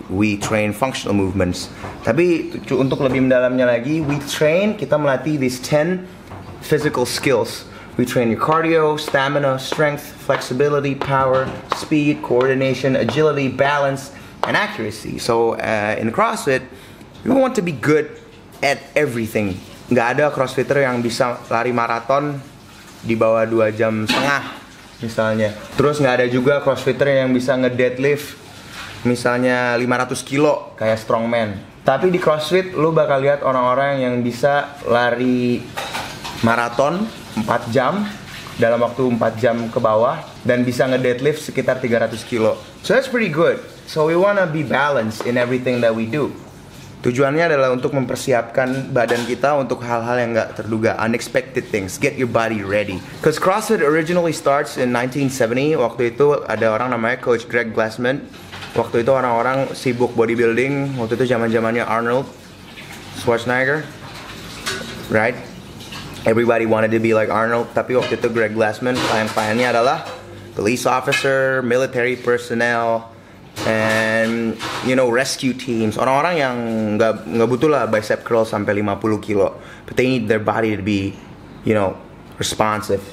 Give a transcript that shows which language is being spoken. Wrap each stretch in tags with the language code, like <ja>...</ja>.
<en>We train functional movements.</en> <id>Tapi untuk lebih mendalamnya lagi,</id> <en>we train,</en> <id>kita melatih</id> <en>these 10 physical skills. We train your cardio, stamina, strength, flexibility, power, speed, coordination, agility, balance, and accuracy. So in CrossFit, you want to be good at everything.</en> <id>Gak ada crossfitter yang bisa lari maraton di bawah 2 jam setengah, misalnya. Terus gak ada juga crossfitter yang bisa nge-deadlift misalnya 500 kilo, kayak strongman. Tapi di crossfit, lu bakal lihat orang-orang yang bisa lari maraton 4 jam, dalam waktu 4 jam ke bawah, dan bisa nge-deadlift sekitar 300 kilo.</id> <en>So that's pretty good. So we wanna be balanced in everything that we do.</en> <id>Tujuannya adalah untuk mempersiapkan badan kita untuk hal-hal yang gak terduga,</id> <en>unexpected things, get your body ready. Cause CrossFit originally starts in 1970,</en> <id>waktu itu ada orang namanya</id> <en>Coach Greg Glassman.</en> <id>Waktu itu orang-orang sibuk bodybuilding, waktu itu zaman-zamannya Arnold, Schwarzenegger, right?</id> <en>Everybody wanted to be like Arnold,</en> <id>tapi waktu itu Greg Glassman, klien-kliennya adalah</id> <en>police officer, military personnel, and, you know, rescue teams.</en> <id>Orang-orang yang gak butuh lah bicep curl sampai 50 kilo.</id> <en>But they need their body to be, you know, responsive.</en>